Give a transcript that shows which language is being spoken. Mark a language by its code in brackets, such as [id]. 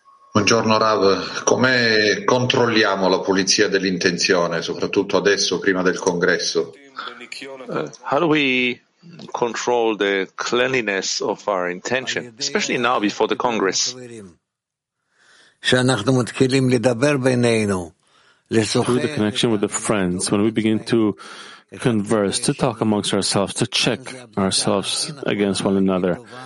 [it] Buongiorno Rav, come controlliamo la pulizia dell'intenzione, soprattutto adesso, prima del congresso? [en] How do we control the cleanliness of our intention, especially now before the congress? [he] שאנחנו מתחילים לדבר בינינו, [en] through the connection with the friends, when we begin to converse, to talk amongst ourselves, to check ourselves against one another.